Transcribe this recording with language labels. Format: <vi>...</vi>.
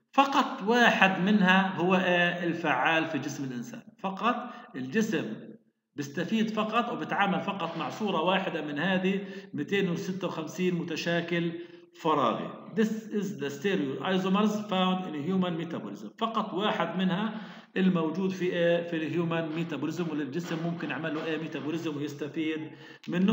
<ar>فقط واحد منها هو الفعال في جسم الانسان. فقط الجسم بيستفيد فقط وبتعامل فقط مع صوره واحده من هذه 256 متشاكل فراغي.</ar> <en>This is the stereoisomers found in human metabolism.</en> <ar>فقط واحد منها الموجود في الهيومن ميتابوليزم، والجسم ممكن يعمل له ميتابوليزم ويستفيد منه.</ar>